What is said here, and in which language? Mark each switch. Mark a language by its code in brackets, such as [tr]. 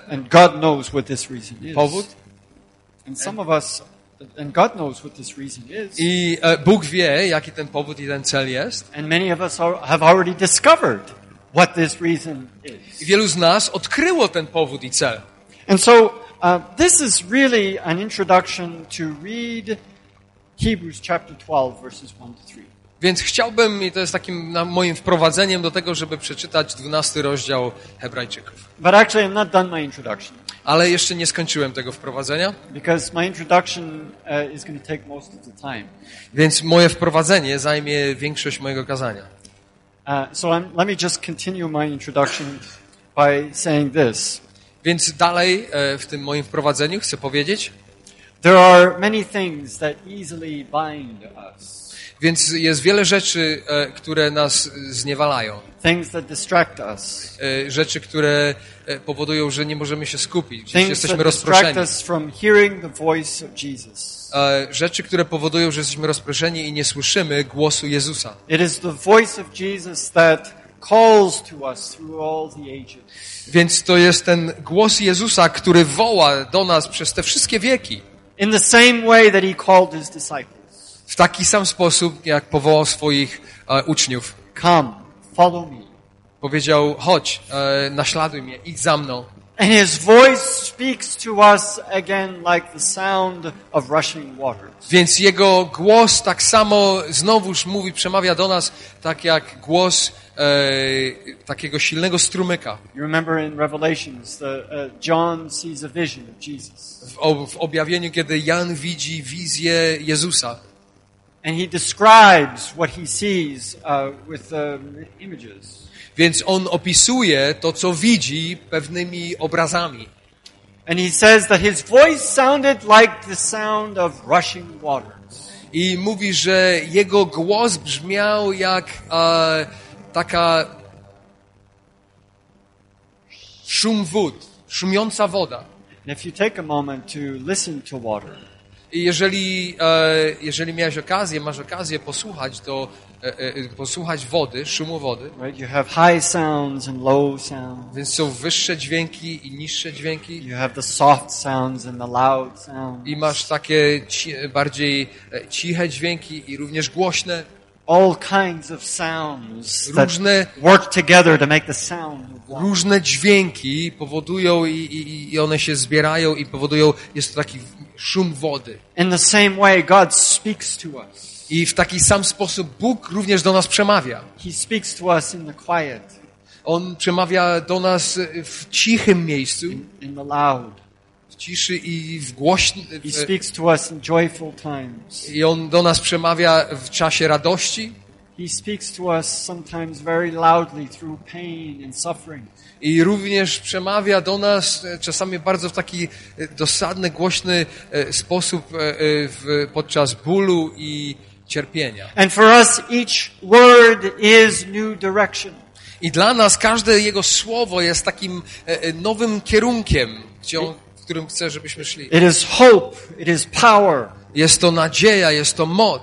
[en] And God knows what this reason is. [pl] Powód. [en] And some of us, and God knows what this reason is. [pl] I Bóg wie, jaki ten powód i ten cel jest. [en] And many of us have already discovered what this reason is. [pl] I wielu z nas odkryło ten powód i cel. [en] And so this is really an introduction to read Hebrews chapter 12 verses 1 to 3. [pl] Więc chciałbym i to jest takim moim wprowadzeniem do tego, żeby przeczytać 12 rozdział Hebrajczyków. [en] But actually I'm not done my introduction. [pl] Ale jeszcze nie skończyłem tego wprowadzenia. [en] Because my introduction is going to take most of the time. [pl] Więc moje wprowadzenie zajmie większość mojego kazania. [en] Let me just continue my introduction by saying this. [pl] Więc dalej w tym moim wprowadzeniu chcę powiedzieć. [en] There are many things that easily bind us. [pl] Więc jest wiele rzeczy, które nas zniewalają. [en] Things that distract us. [pl] Rzeczy, które powodują, że nie możemy się skupić, [en] things [pl] jesteśmy rozproszeni. [en] That distract us from hearing the voice of Jesus. [pl] Rzeczy, które powodują, że jesteśmy rozproszeni i nie słyszymy głosu Jezusa. [en] It is the voice of Jesus that calls to us through all the ages. [pl] Więc to jest ten głos Jezusa, który woła do nas przez te wszystkie wieki. [en] In the same way that he called his disciples. [pl] W taki sam sposób, jak powołał swoich uczniów. [en] Come, follow me. [pl] Powiedział, chodź, naśladuj mnie, idź za mną. [en] And his voice speaks to us again like the sound of rushing waters. [pl] Więc jego głos tak samo znowuż mówi, przemawia do nas, tak jak głos takiego silnego strumyka. [en] You remember in Revelations John sees a vision of Jesus. [pl] W objawieniu, kiedy Jan widzi wizję Jezusa. [en] And he describes what he sees with the images. [pl] Więc on opisuje to, co widzi pewnymi obrazami. [en] And he says that his voice sounded like the sound of rushing waters. [pl] I mówi, że jego głos brzmiał jak taka szum wód, szumiąca woda. [en] And if you take a moment to listen to water. [pl] Jeżeli miałeś okazję, masz okazję posłuchać do posłuchać wody, szumu wody. [en] Right? You have high sounds and low sounds. [pl] Więc są wyższe dźwięki i niższe dźwięki. [en] You have the soft sounds and the loud sounds. [pl] I masz takie bardziej ciche dźwięki i również głośne. [en] All kinds of sounds [pl] różne, [en] that work together to make the sound. [pl] Różne dźwięki powodują i one się zbierają i powodują, jest to taki szum wody. [en] In the same way God speaks to us. [pl] I w taki sam sposób Bóg również do nas przemawia. [en] He speaks to us in the quiet. [pl] On przemawia do nas w cichym miejscu. [en] In the loud. [pl] W ciszy i w głośny. [en] He speaks to us in joyful times. [pl] I on do nas przemawia w czasie radości. [en] He speaks to us sometimes very loudly through pain and suffering. [pl] I również przemawia do nas czasami bardzo w taki dosadny, głośny sposób podczas bólu i cierpienia. [en] And for us each word is new direction. [pl] I dla nas każde jego słowo jest takim nowym kierunkiem, gdzie on, w którym chcę, żebyśmy szli. [en] It is hope, it is power. [pl] Jest to nadzieja, jest to moc.